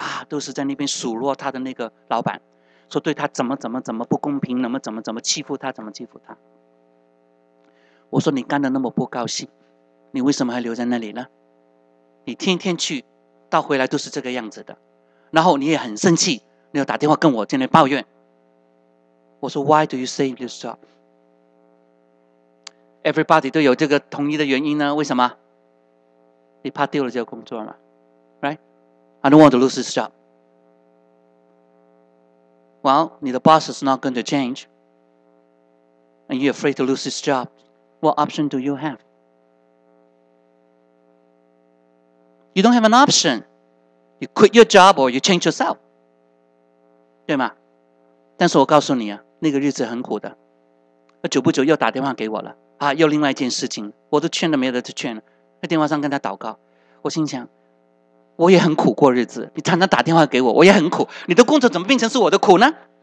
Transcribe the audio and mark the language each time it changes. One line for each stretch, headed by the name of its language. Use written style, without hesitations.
Chinese: 都是在那边数落他的那个老板，说对他怎么怎么怎么不公平，怎么欺负他，我说你干得那么不高兴，你为什么还留在那里呢？你天天去到回来都是这个样子的，然后你也很生气，你要打电话跟我在那抱怨。我说
English: Why do you stay in this job? Everybody
Chinese: 都有这个同意的原因呢，为什么？你怕丢了这个工作吗？
English: I don't want to lose this job. Well,
Chinese: 你的
English: boss is not going to change. And you're afraid to lose this job. What option do you have? You don't have an option. You quit your job or you change yourself.
Chinese: 对吗？但是我告诉你啊，那个日子很苦的。久不久又打电话给我了。又另外一件事情。我都劝了没得劝了。在电话上跟他祷告。我心想，我也很苦过日子，你常常打电话给我，我也很苦，你的工作怎么变成是我的苦呢？